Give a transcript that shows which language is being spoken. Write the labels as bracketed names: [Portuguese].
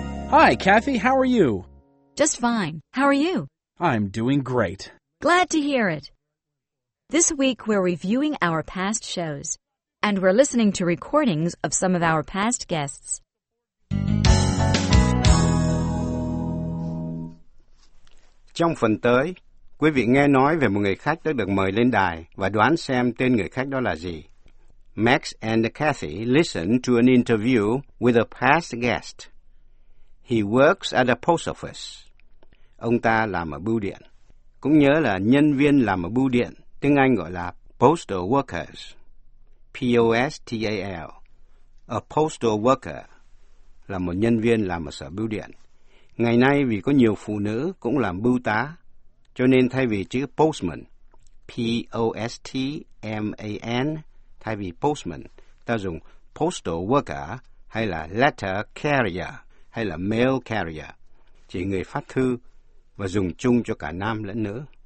[English] Hi, Kathy, how are you? Just fine. How are you? I'm doing great. Glad to hear it. This week we're reviewing our past shows, and we're listening to recordings of some of our past guests. [Vietnamese] Trong phần tới, quý vị nghe nói về một người khách đã được mời lên đài và đoán xem tên người khách đó là gì. [English] Max and Kathy listen to an interview with a past guest. He works at a post office. [Vietnamese] Ông ta làm ở bưu điện. Cũng nhớ là nhân viên làm ở bưu điện, tiếng Anh gọi là postal workers. P-O-S-T-A-L. A postal worker là một nhân viên làm ở sở bưu điện. Ngày nay vì có nhiều phụ nữ cũng làm bưu tá, cho nên thay vì chữ postman, P-O-S-T-M-A-N, thay vì postman, ta dùng postal worker hay là letter carrier hay là mail carrier, chỉ người phát thư và dùng chung cho cả nam lẫn nữ.